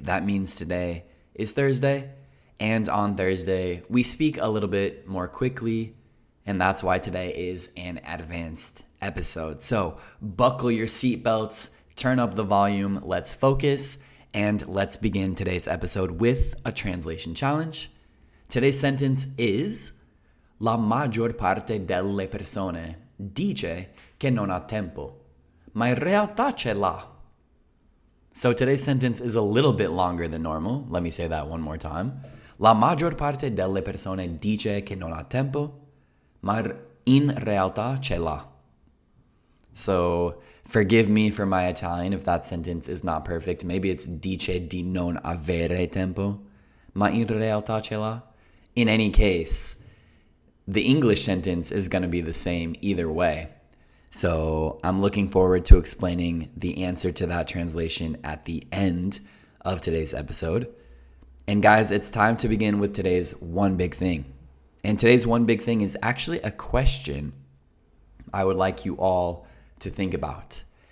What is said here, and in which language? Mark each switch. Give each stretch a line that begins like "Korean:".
English: That means today is Thursday. And on Thursday, we speak a little bit more quickly. And that's why today is an advanced episode. So buckle your seatbelts. Turn up the volume, let's focus, and let's begin today's episode with a translation challenge. Today's sentence is,
Italian: La maggior parte delle persone dice che non ha tempo, ma in realtà c'è là.
English: So today's sentence is a little bit longer than normal. Let me say that one more time.
Italian: La maggior parte delle persone dice che non ha tempo, ma in realtà c'è là.
English: So forgive me for my Italian if that sentence is not perfect. Maybe it's
Italian: dice di non avere tempo, ma in realtà c'è là.
English: In any case, the English sentence is going to be the same either way. So I'm looking forward to explaining the answer to that translation at the end of today's episode. And guys, it's time to begin with today's one big thing. And today's one big thing is actually a question I would like you all to think about.